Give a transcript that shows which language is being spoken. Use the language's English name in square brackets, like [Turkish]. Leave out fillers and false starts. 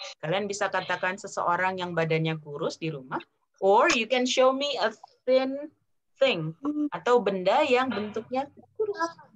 [Indonesian] Kalian bisa katakan seseorang yang badannya kurus di rumah. [English] Or you can show me a thin thing. [Indonesian] Atau benda yang bentuknya kurus.